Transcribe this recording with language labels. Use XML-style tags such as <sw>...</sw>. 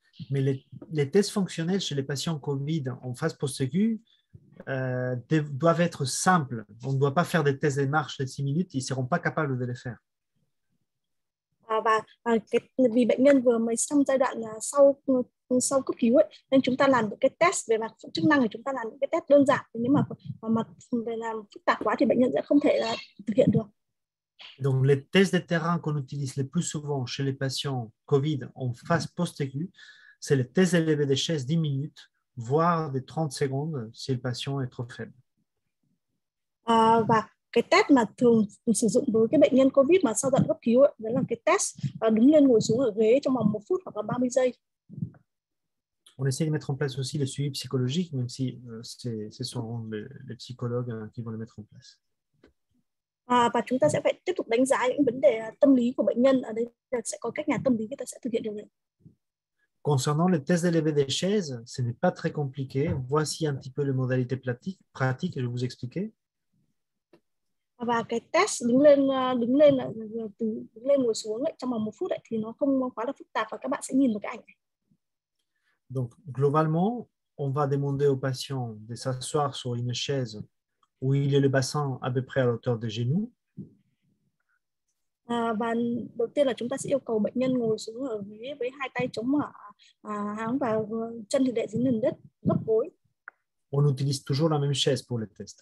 <fr>Mais les tests fonctionnels chez les patients COVID en phase post-aiguë doivent être simples. On ne doit pas faire des tests de marche de 6 minutes, ils ne seront pas capables de les faire.</fr> <vi>Và vì bệnh nhân vừa mới xong giai đoạn sau cấp cứu ấy, nên chúng ta làm những cái test về mặt chức năng, thì chúng ta làm những cái test đơn giản, nhưng mà về làm phức tạp quá thì bệnh nhân sẽ không thể thực hiện được.</vi> <fr>Donc les tests de terrain qu'on utilise le plus souvent chez les patients COVID en phase post-aiguë, c'est le test élevé des chaises 10 minutes, voire des 30 secondes si le patient est trop faible.</fr> <vi>Và cái test mà thường sử dụng với cái bệnh nhân COVID mà sau giai đoạn cấp cứu ấy, đó là cái test đứng lên ngồi xuống ở ghế trong vòng 1 phút hoặc là 30 giây.</vi> <fr>On essaie de mettre en place aussi le suivi psychologique, même si c'est souvent les psychologues qui vont le mettre en place.</fr> <vi>Và chúng ta sẽ phải tiếp tục đánh giá những vấn đề tâm lý của bệnh nhân. Ở đây sẽ có các nhà tâm lý, người ta sẽ thực hiện điều này.</vi> <fr>Concernant le test d'élevé des chaises, ce n'est pas très compliqué. Voici un petit peu les modalités pratiques que je vais vous expliquer.</fr> <vi>Và cái test đứng lên ngồi xuống ấy, trong vòng 1 phút ấy, thì nó không quá là phức tạp, và các bạn sẽ nhìn một cái ảnh này.</vi> <fr>Donc globalement, on va demander au patient de s'asseoir sur une chaise où il a le bassin à peu près à hauteur des genoux.</fr> <vi>Và đầu tiên là chúng ta sẽ yêu cầu bệnh nhân ngồi xuống ở ghế với hai tay chống ở háng và chân thì để dính nền đất gấp gối.</vi> <fr>On utilise toujours la même chaise pour le test.</fr>